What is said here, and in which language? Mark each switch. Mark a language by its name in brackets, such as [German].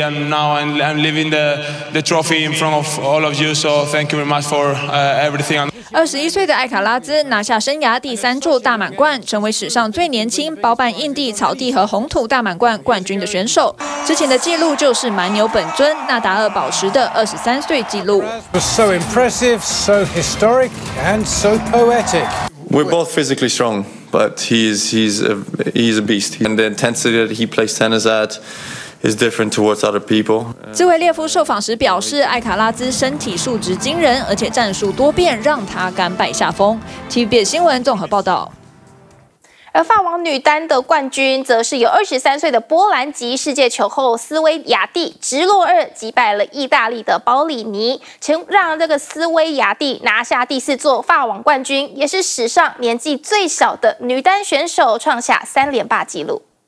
[English] And now I'm leaving the trophy in front of all of you. So thank you very much for everything. [Chinese] 21岁的艾卡拉兹拿下生涯第三座大满贯，成为史上最年轻包办印地、草地和红土大满贯冠军的选手。之前的记录就是蛮牛本尊纳达尔保持的23岁记录。 [English] So impressive, so historic, and so poetic. We're both physically strong, but he's a beast. And the intensity that he plays tennis at. Is different towards other people. [Chinese] 兹维列夫受访时表示，艾卡拉兹身体素质惊人，而且战术多变，让他甘拜下风。 TVBS 新闻综合报道。而法网女单的冠军，则是由23岁的波兰籍世界球后斯威亚蒂直落二击败了意大利的包里尼，成让这个斯威亚蒂拿下第四座法网冠军，也是史上年纪最小的女单选手，创下3连霸纪录。